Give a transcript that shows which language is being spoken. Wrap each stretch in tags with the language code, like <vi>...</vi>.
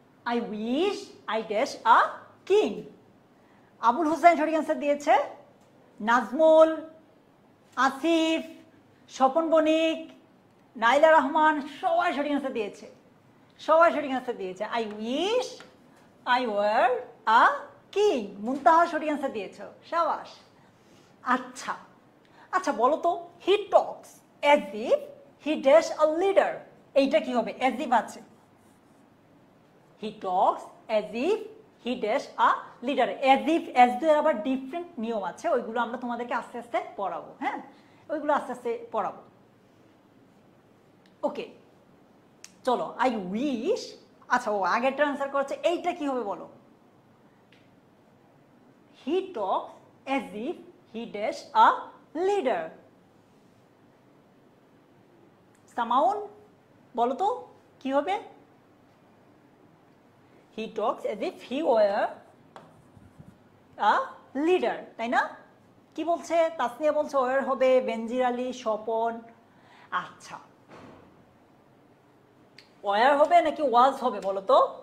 <en>I wish I dash a king.</en> <bn>Abul Hussain সঠিক answer দিয়েছে, নাজমুল, আসিফ, স্বপন বণিক, নাইলা রহমান, সবাই সঠিক অ্যান্সার দিয়েছে, সবাই সঠিক অ্যান্সার দিয়েছে,</bn> <en>I wish I were a king,</en> <bn>মুনতাহা সঠিক অ্যান্সার দিয়েছ, সাবাস। আচ্ছা আচ্ছা বলো তো,</bn> <en>He talks as if He dash a leader.</en> <bn>এইটা কি হবে?</bn> <en>As if আছে. He talks as if he dash a leader. As if, as do আবার different</en> <bn>নিয়ম আছে. ওইগুলো আমরা তোমাদেরকে আস্তে আস্তে পড়াবো. হ্যাঁ, ওইগুলো আস্তে আস্তে পড়াবো. ওকে, চলো.</bn> <en>I wish.</en> <bn>আচ্ছা, ও আগেরটা আনসার করছে. এইটা কি হবে বলো?</bn> <en>He talks as if he dash a leader.</en> <bn>Samaun, বলো তো কি হবে?</bn> <en>He talks as if he were a leader,</en> <bn>তাই না? কি বলছে? তাসনিয়া বলছে ওয়ার হবে, বেনজির আলী, স্বপন. আচ্ছা, ওয়ার হবে নাকি ওয়াজ হবে বলো তো?</bn>